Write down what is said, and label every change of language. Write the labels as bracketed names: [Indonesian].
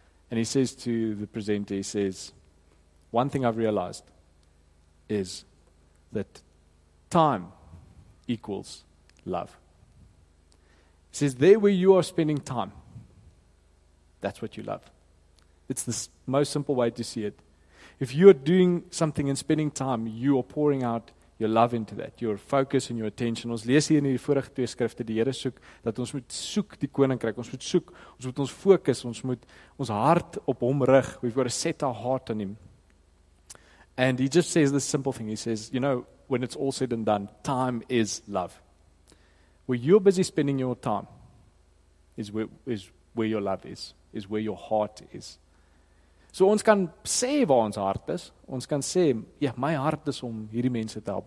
[English] And he says to the presenter, he says, "One thing I've realized is that time equals love." He says, there where you are spending time, that's what you love. It's the most simple way to see it. If you're doing something and spending time, you are pouring out your love into that, your focus and your attention. [Afrikaans] Ons lees hier in die vorige twee skrifte, die Here soek, dat ons moet soek die koninkryk, ons moet soek, ons moet ons focus, ons moet ons hart op hom rig. [English] We've got to set our heart on him. And he just says this simple thing. He says, you know, when it's all said and done, time is love. Where you're busy spending your time is where your love is where your heart is. [Afrikaans] So ons kan sê waar ons hart is. Ons kan sê, ja, my hart is om hierdie mense te help.